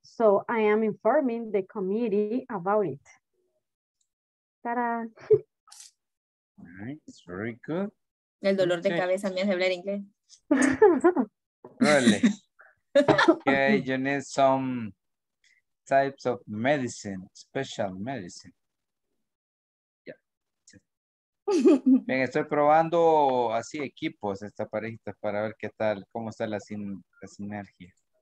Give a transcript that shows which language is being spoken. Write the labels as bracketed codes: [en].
[en] So I am informing the committee about it. Ta-da. All right, very good. [es] El dolor de cabeza me hace hablar inglés. [en] Really? Okay, you need some types of medicine, special medicine. [es] Bien, estoy probando así equipos, esta parejita, para ver qué tal, cómo está la sinergia.